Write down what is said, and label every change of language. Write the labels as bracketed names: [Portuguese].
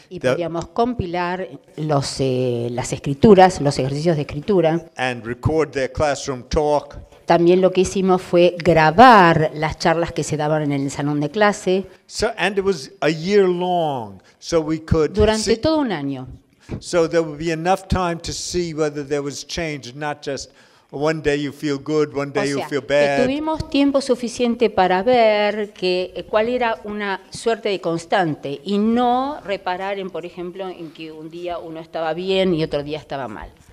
[Spanish] Y podíamos compilar las escrituras, los ejercicios de escritura. [English] And record their classroom talk. [Spanish] También lo que hicimos fue grabar las charlas que se daban en el salón de clase. [English] So, and it was a year long, so we could [Spanish] durante todo un año. [English] So there would be enough time to see whether there was change, not just one day you feel good, one day [Spanish] o sea, [English] you feel bad. [Spanish] Que tuvimos tiempo suficiente para ver que cuál era una suerte de constante y no reparar en, por ejemplo, en que un día uno estaba bien y otro día estaba mal.